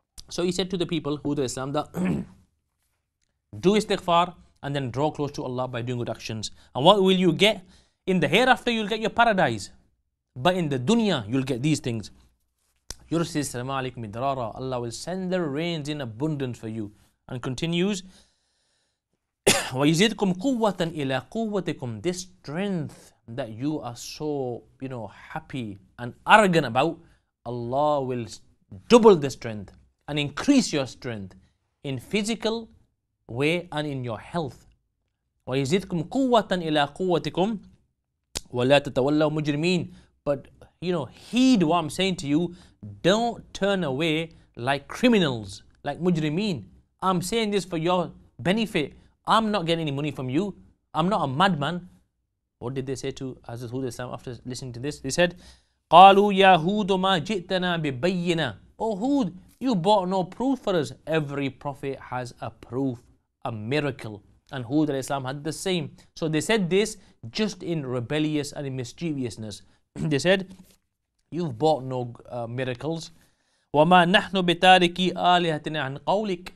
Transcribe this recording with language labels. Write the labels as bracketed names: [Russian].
[English] So he said to the people, Hud al-Islam, that do istighfar and then draw close to Allah by doing good actions. And what will you get? In the hereafter, you'll get your paradise. But in the dunya, you'll get these things. [Arabic] يُرْسِلِ السَّلَمَ عَلَيْكُمْ مِدْرَارًا. [English] Allah will send the rains in abundance for you. And continues, [Arabic] وَيَزِيدْكُمْ قُوَّةً إِلَىٰ قُوَّتِكُمْ. [English] This strength that you are so, happy and arrogant about, Allah will double the strength and increase your strength in physical way and in your health. [Arabic] وَيَزِيدْكُمْ قُوَّةً إِلَىٰ قُوَّتِكُمْ وَلَا تَتَوَلَّوْ مُجْرِمِينَ. [English] But, heed what I'm saying to you. Don't turn away like criminals, like mujrimeen. I'm saying this for your benefit. I'm not getting any money from you. I'm not a madman. What did they say to Hazrat Hud al-Islam after listening to this? They said, [Arabic] قَالُوا يَا هُودُ مَا جِئْتَنَا بِبَيِّنَا. [English] Oh Hud, you brought no proof for us. Every prophet has a proof, a miracle. And Hud al-Islam had the same. So they said this just in rebellious and in mischievousness. They said, you've bought no miracles. [Arabic] وَمَا نَحْنُ بِتَارِكِ آلِهَتِنَا عَنْ قَوْلِكِ.